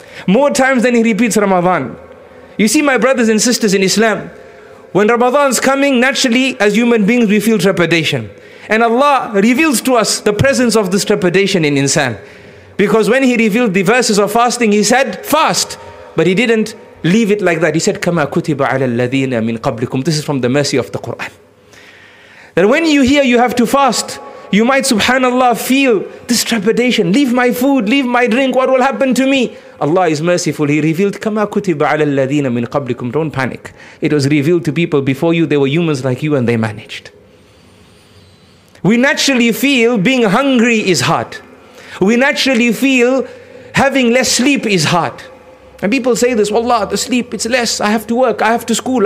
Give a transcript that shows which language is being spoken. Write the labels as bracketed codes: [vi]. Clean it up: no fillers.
[en] More times than He repeats Ramadan. You see, my brothers and sisters in Islam, when Ramadan's coming, naturally, as human beings, we feel trepidation. And Allah reveals to us the presence of this trepidation in insan. Because when He revealed the verses of fasting, He said, fast. But He didn't leave it like that. He said, [ar] كَمَا كُتِبَ عَلَى الَّذِينَ مِنْ قَبْلِكُمْ. [en] This is from the mercy of the Quran. That when you hear you have to fast, you might, subhanAllah, feel this trepidation. Leave my food, leave my drink, what will happen to me? Allah is merciful. He revealed, [ar] كَمَا كُتِبَ عَلَى الَّذِينَ مِنْ قَبْلِكُمْ. [en] Don't panic. It was revealed to people before you. They were humans like you and they managed. We naturally feel being hungry is hard. We naturally feel having less sleep is hard. And people say this, wallah, the sleep, it's less. I have to work. I have to school.